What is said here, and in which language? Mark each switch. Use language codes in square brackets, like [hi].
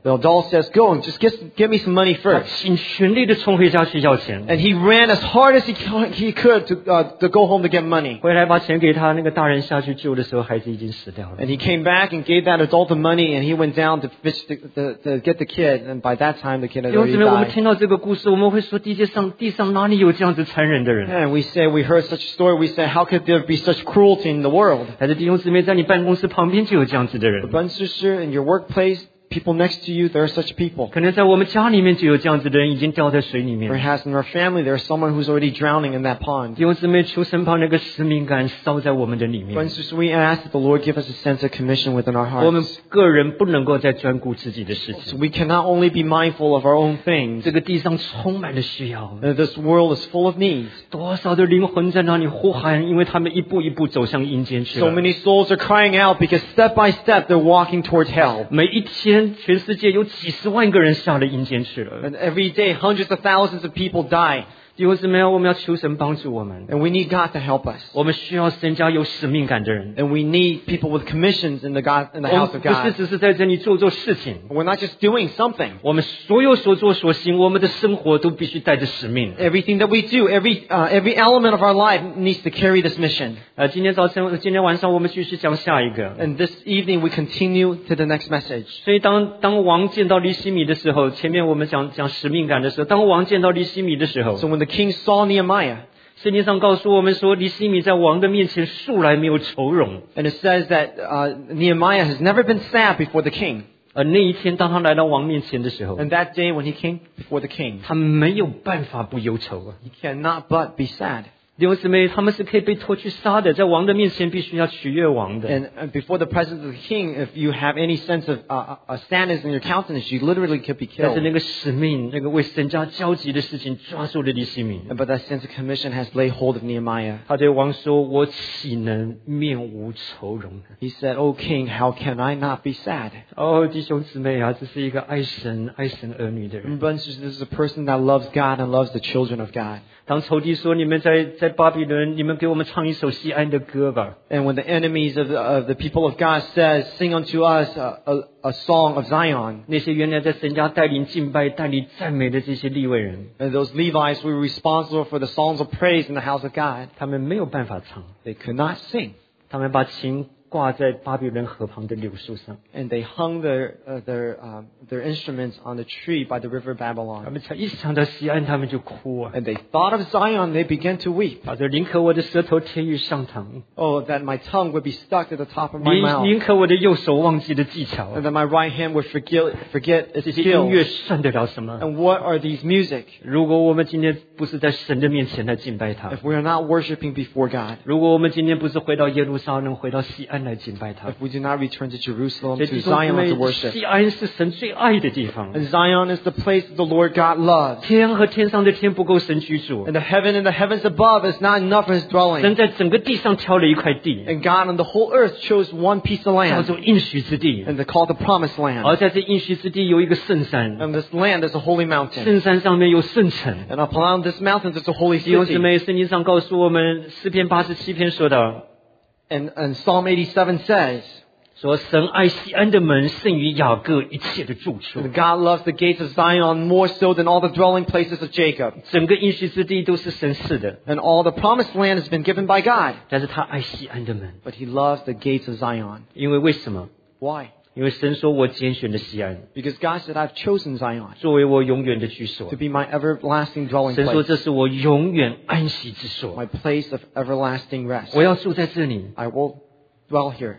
[en] The adult says go and just get me some money first [zh] 他尽全力地冲回家去要钱 [en] And he ran as hard as he could to go home to get money [zh] 回来把钱给他那个大人下去救的时候孩子已经死掉了 [en] And he came back and gave that adult the money and he went down to fish to get the kid and by that time the kid had already died [zh] 我们听到这个故事我们会说地上哪里有这样子残忍的人 [en] And we heard such a story we said how could there be such cruelty in the world [zh] 还是弟兄姊妹在你办公室旁边就有这样子的人 [en] But sister in your workplace people next to you there are such people [zh] 可能在我们家里面就有这样子的人已经掉在水里面 [en] Perhaps in our family there is someone who's already drowning in that pond [zh] 弟兄姊妹求身旁那个使命感烧在我们的里面 [en] But sister, we ask that the Lord give us a sense of commission within our hearts [zh] 我们个人不能够再专顾自己的事情 [en] So we cannot only be mindful of our own things [zh] 这个地上充满了需要 [en] This world is full of needs [zh] 多少的灵魂在那里呼喊因为他们一步一步走向阴间去了 [en] So many souls are crying out because step by step they're walking towards hell [zh] 每一天全世界有几十万个人下了阴间去了 [en] And every day hundreds of thousands of people die [zh] 弟兄姊妹我们要求神帮助我们 [en] And we need God to help us [zh] 我们需要神家有使命感的人 [en] And we need people with commissions in the house of God [zh] 我们不是只是在这里做做事情 [en] We're not just doing something [zh] 我们所有所做所行我们的生活都必须带着使命 [en] Everything that we do every element of our life needs to carry this mission [zh] 今天晚上我们继续讲下一个 [en] And this evening we continue to the next message [zh] 所以当王见到尼希米的时候前面我们讲使命感的时候当王见到尼希米的时候 [en] So when the king saw Nehemiah [zh] 圣经上告诉我们说尼希米在王的面前素来没有愁容 [en] And it says that Nehemiah has never been sad before the king [zh] 那一天当他来到王面前的时候 [en] And that day when he came before the king [zh] 他没有办法不忧愁 [en] He cannot but be sad [zh] 弟兄姊妹他们是可以被拖去杀的在王的面前必须要取悦王的 [en] And before the presence of the king if you have any sense of sadness in your countenance you literally could be killed [zh] 但是那个使命那个为神家焦急的事情抓住了尼希米 [en] But that sense of commission has laid hold of Nehemiah [zh] 他对王说我岂能面无愁容 [en] He said O king how can I not be sad [zh] 弟兄姊妹啊这是一个爱神儿女的人 [en] But this is a person that loves God and loves the children of God [zh] 当仇敌说你们在巴比伦你们给我们唱一首锡安的歌吧 [en] And when the enemies of the people of God says sing unto us a song of Zion [zh] 那些原来在神家带领敬拜带领赞美的这些利未人 [en] And those Levites were responsible for the songs of praise in the house of God [zh] 他们没有办法唱 [en] They could not sing [zh] 他们把琴挂在巴比伦河旁的柳树上 [en] And they hung their instruments on the tree by the river Babylon. [zh] 他们一想到锡安，他们就哭啊。 [en] And they thought of Zion, they began to weep. [zh] 他说：“宁可我的舌头贴于上膛。” [en] Oh, that my tongue would be stuck at the top of my mouth. [zh] 宁可我的右手忘记的技巧。 [en] And that my right hand would forget its skill. [zh] 音乐算得了什么 [en] ？And what are these music? [zh] 如果我们今天不是在神的面前来敬拜他 [en] ，If we are not worshiping before God. [zh] 如果我们今天不是回到耶路撒冷，回到锡安 [en] If we do not return to Jerusalem, to Zion to worship. And Zion is the place the Lord God loves. And the heaven and the heavens above is not enough for His dwelling. And God on the whole earth chose one piece of land. And they call it the promised land. And this land is a holy mountain. And upon this mountain is a holy city. And Psalm 87 says, [zh] 说神爱锡安的门胜于雅各一切的住处。 [en] God loves the gates of Zion more so than all the dwelling places of Jacob. [zh] 整个应许之地都是神赐的。 [en] And all the promised land has been given by God. [zh] 但是他爱锡安的门。 [en] But he loves the gates of Zion. [zh] 因为为什么? [en] Why? [zh] 因为神说我拣选的锡安。 [en] Because God said, I've chosen Zion. [zh] 作为我永远的居所。 [en] To be my everlasting dwelling place. [zh] 神说这是我永远安息之所。 [en] My place of everlasting rest. [zh] 我要住在这里。 [en] I will dwell here.